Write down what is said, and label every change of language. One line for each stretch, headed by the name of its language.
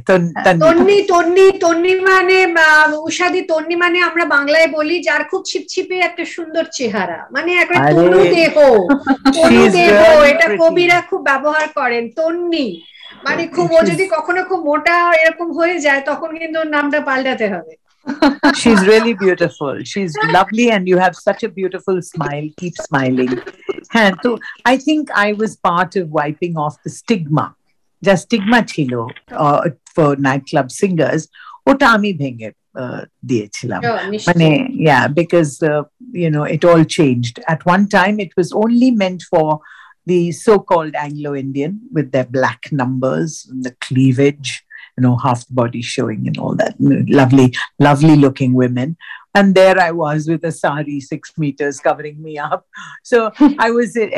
Bangla: তন্নি তন্নি তন্নি মানে উষাদি, তন্নি মানে আমরা বাংলায় বলি যার খুব ছিপছিপে একটা সুন্দর চেহারা, মানে একটা তনু দেহ, তনু দেহ, এটা কবিরা খুব ব্যবহার করেন, তন্নি মানে খুব, ও যদি কখনো খুব মোটা এরকম হয়ে যায় তখন কিন্তু ওর নামটা পাল্টাতে হবে।
English: She's really beautiful. She's lovely and you have such a beautiful smile. Keep smiling. And so I think I was part of wiping off the stigma.
Bangla: যা
English: stigma
Bangla: ছিল
English: for night club singers,
Bangla: ওটা আমি ভেঙে দিয়েছিলাম, মানে
English: Yeah, because you know it all changed. At one time it was only meant for the so called Anglo Indian with their black numbers, the cleavage, you know, half body showing in all that, lovely lovely looking women, and there I was with a sari 6 meters covering me up, so I was